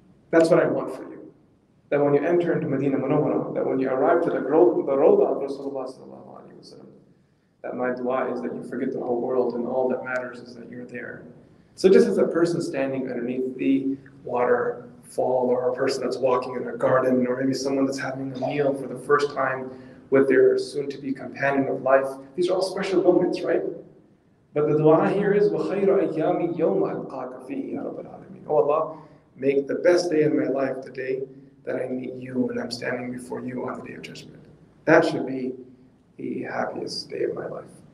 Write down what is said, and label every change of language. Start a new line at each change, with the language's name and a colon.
English: That's what I want for you. That when you enter into Medina Munawwara, that when you arrive to the Rawdah of Rasulullah sallallahu alayhi wa sallam, that my dua is that you forget the whole world and all that matters is that you're there. So just as a person standing underneath the waterfall, or a person that's walking in a garden, or maybe someone that's having a meal for the first time with their soon-to-be companion of life, these are all special moments, right? But the dua here is,
Arabic: وَخَيْرَ أَيَّامِ يَوْمَ أَلْقَاكَ فِيهِ يَا رَبَّ الْعَالَمِينَ.
English: Oh Allah, make the best day in my life the day that I meet you and I'm standing before you on the Day of Judgment. That should be the happiest day of my life.